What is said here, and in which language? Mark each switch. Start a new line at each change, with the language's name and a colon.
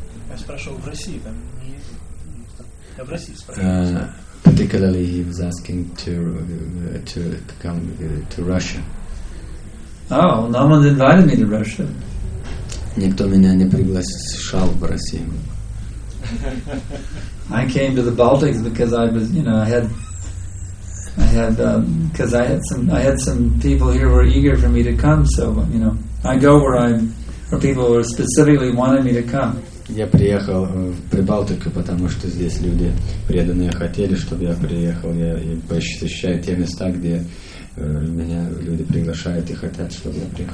Russian: Я спрашивал в России, там не в России спрашивал.
English: Particularly, he was asking to come to Russia. Oh, no one invited me to Russia.
Russian: Никто меня не приглашал в Россию.
English: I came to the Baltics because I was, you know, I had some people here were eager for me to come, so, you know, I go where people were specifically wanted me to come.
Russian: Я приехал в Прибалтику, потому что здесь люди преданные хотели, чтобы я приехал. Я посещаю те места, где меня люди приглашают и хотят, чтобы я приехал.